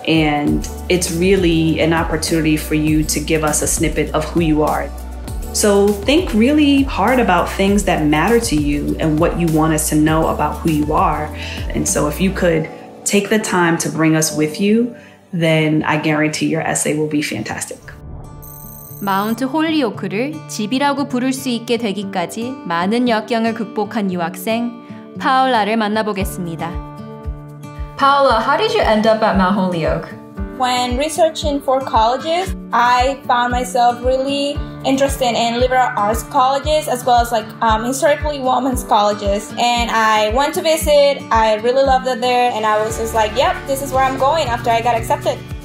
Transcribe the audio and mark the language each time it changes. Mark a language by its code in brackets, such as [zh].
[en] And it's really an opportunity for you to give us a snippet of who you are. So think really hard about things that matter to you and what you want us to know about who you are. And so if you could take the time to bring us with you, then I guarantee your essay will be fantastic. [ko] 마운트 홀리오크를 집이라고 부를 수 있게 되기까지 많은 역경을 극복한 유학생 파올라를 만나보겠습니다. [en] Paola, how did you end up at Mount Holyoke? When researching for colleges, I found myself really interested in liberal arts colleges as well as like historically women's colleges. And I went to visit, I really loved it there, and I was just like, yep, this is where I'm going after I got accepted.